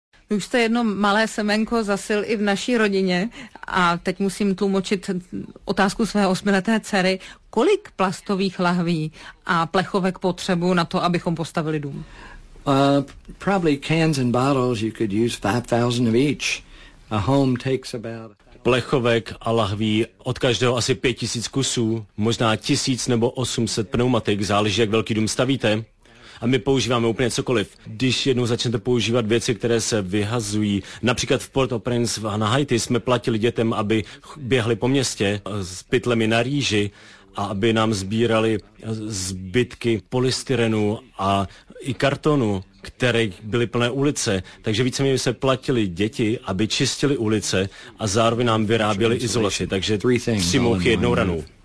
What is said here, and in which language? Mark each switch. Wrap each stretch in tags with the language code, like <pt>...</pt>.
<cs>Už jste jedno malé semenko zasil i v naší rodině. A teď musím tlumočit otázku své 8leté dcery. Kolik plastových lahví a plechovek potřebuji na to, abychom postavili dům?</cs> <en>Probably cans and bottles, you could use 5,000 of each. A home takes about...</en> <cs>Plechovek a lahví od každého asi 5,000 kusů, možná 1,000 nebo 800 pneumatik, záleží, jak velký dům stavíte. A my používáme úplně cokoliv. Když jednou začnete používat věci, které se vyhazují, například v Port-au-Prince a na Haiti jsme platili dětem, aby běhli po městě s pytlemi na rýži a aby nám sbírali zbytky polystyrenu a i kartonu, které byly plné ulice, takže víceméně se platili děti, aby čistili ulice a zároveň nám vyráběli izolaci, takže 3 mouchy jednou ranou.</cs>